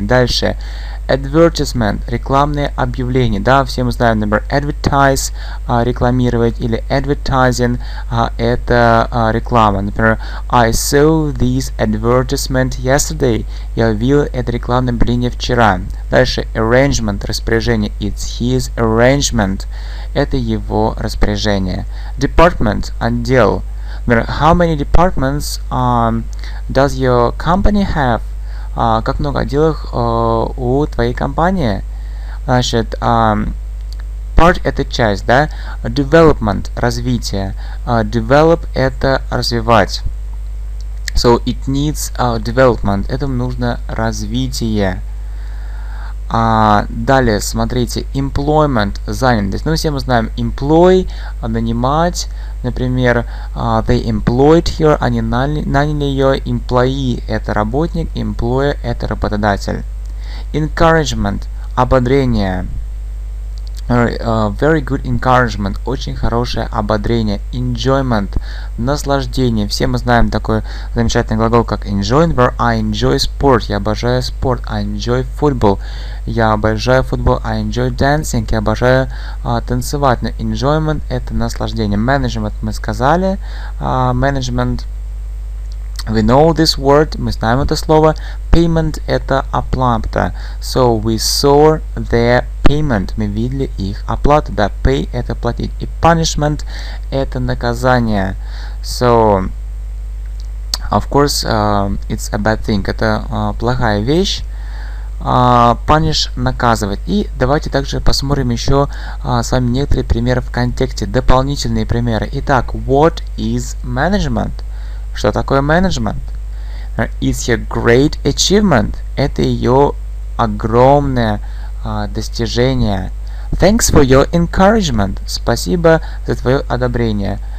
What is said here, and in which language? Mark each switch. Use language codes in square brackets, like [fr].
[ru] Дальше, advertisement, рекламное объявление, да, все мы знаем, например, advertise, рекламировать, или advertising, это реклама, например, [en] I saw this advertisement yesterday, [ru] я увидел это рекламное объявление вчера. Дальше, arrangement, распоряжение, [en] it's his arrangement, [ru] это его распоряжение. Department, отдел. [en] How many departments does your company have? [ru] Как много отделов у твоей компании? Значит, part – это часть, да? Development – развитие. Develop – это развивать. [en] So, it needs development. [ru] Этому нужно развитие. Далее, смотрите, employment – занятость. Ну, все мы знаем, employ – нанимать. Например, [en] they employed her, [ru] они наняли ее. Employee – это работник, employer – это работодатель. Encouragement – ободрение. [en] Very good encouragement [ru] – очень хорошее ободрение. Enjoyment – наслаждение. Все мы знаем такой замечательный глагол, как enjoy. Например, [en] I enjoy sport [ru] – я обожаю спорт. [en] I enjoy football [ru] – я обожаю футбол. [en] I enjoy dancing [ru] – я обожаю танцевать. Но enjoyment – это наслаждение. Management – мы сказали. [en] Management – we know this word, [ru] мы знаем это слово. Payment – это оплата. [en] So, we saw their payment. [ru] Мы видели их оплату. Да, pay – это платить. И punishment – это наказание. [en] So, of course, it's a bad thing. [ru] Это плохая вещь. Punish – наказывать. И давайте также посмотрим еще с вами некоторые примеры в контексте. Дополнительные примеры. Итак, [en] what is management? [ru] Что такое менеджмент? [en] It's a great achievement. [ru] Это ее огромное достижение. [en] Thanks for your encouragement. [ru] Спасибо за твое одобрение.